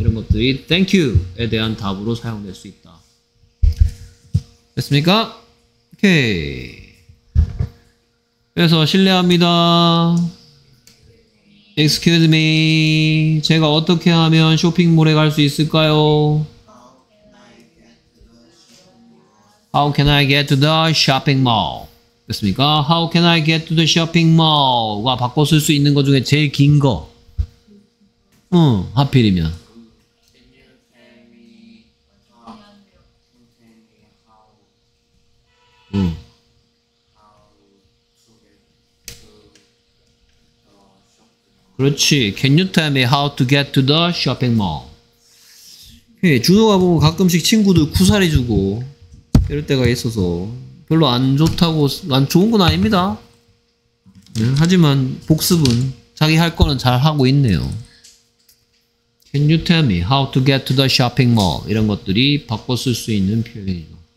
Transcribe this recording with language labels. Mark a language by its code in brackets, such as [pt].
[ko] 이런 것들이 thank you에 대한 답으로 사용될 수 있다. 됐습니까? 오케이. 그래서 실례합니다. [en] Excuse me. [ko] 제가 어떻게 하면 쇼핑몰에 갈 수 있을까요? [en] How can I get to the shopping mall? [ko] 됐습니까? [en] How can I get to the shopping mall? [ko] 와, 바꿔 쓸 수 있는 것 중에 제일 긴 거. 응, 하필이면. [en] Can you tell me how to get to the shopping mall? [ko] 예, 준호가 보면 가끔씩 친구들 쿠사리 주고 이럴 때가 있어서 별로 안 좋다고, 안 좋은 건 아닙니다. 예, 하지만 복습은 자기 할 거는 잘 하고 있네요. [en] Can you tell me how to get to the shopping mall? [ko] 이런 것들이 바꿔 쓸 수 있는 표현이죠.